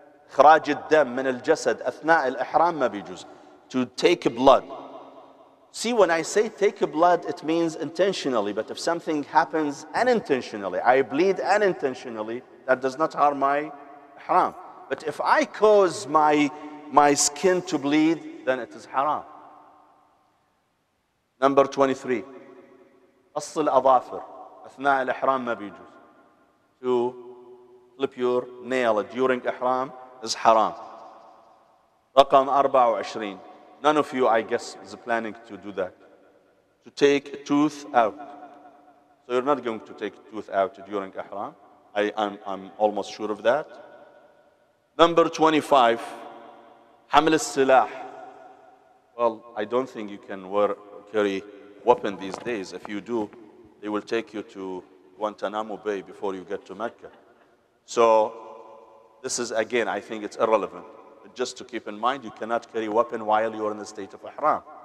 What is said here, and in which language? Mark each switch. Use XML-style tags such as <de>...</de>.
<ar>إخراج الدم من الجسد أثناء الإحرام ما بيجوز.</ar> <en>To take blood. See, when I say take blood, it means intentionally. But if something happens unintentionally, I bleed unintentionally, that does not harm my Haram. But if I cause my skin to bleed, then it is haram. Number 23.</en> <ar>قص الأظافر أثناء الإحرام ما بيجوز.</ar> <en>To clip your nail during إحرام is haram.</en> <ar>رقم 24.</ar> <en>None of you, I guess, is planning to do that. To take a tooth out. So you're not going to take a tooth out during إحرام. I'm almost sure of that. Number 25,</en> <ar>حمل السلاح.</ar> <en>Well, I don't think you can carry weapon these days. If you do, they will take you to Guantanamo Bay before you get to Mecca. So this is, again, I think it's irrelevant. But just to keep in mind, you cannot carry weapon while you're in the state of ihram.</en>